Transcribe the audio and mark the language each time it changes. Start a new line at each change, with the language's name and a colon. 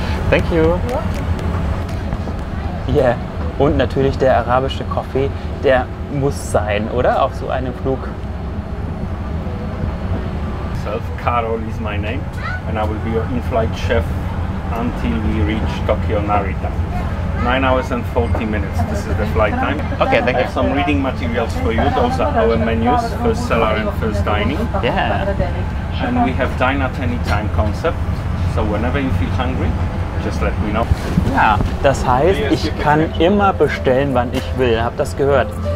English: Thank you. Yeah.
German: Und natürlich der arabische Kaffee, der muss sein, oder? Auf so einem Flug.
English: Myself, Carol is my name and I will be your in-flight chef until we reach Tokyo Narita. 9 hours and 40 minutes, this is the flight time. Okay, thank you. I have some reading materials for you, those are our menus, first cellar and first dining. Yeah. And we have dine at any time concept, so whenever you feel hungry, just let me know.
German: Ja, das heißt, ich kann immer bestellen, wann ich will. Habt das gehört?